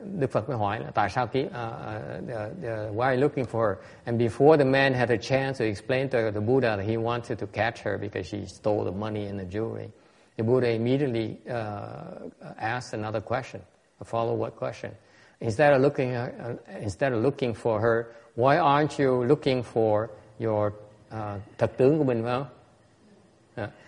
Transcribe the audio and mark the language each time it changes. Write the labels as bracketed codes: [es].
[vi] Đức Phật mới hỏi là tại sao kiếm [en] why are you looking for her? And before the man had a chance to explain to the Buddha that he wanted to catch her because she stole the money and the jewelry, the Buddha immediately asked another question, a follow-up question. Instead of looking for her, why aren't you looking for your [vi] thật tướng của mình, [en] huh?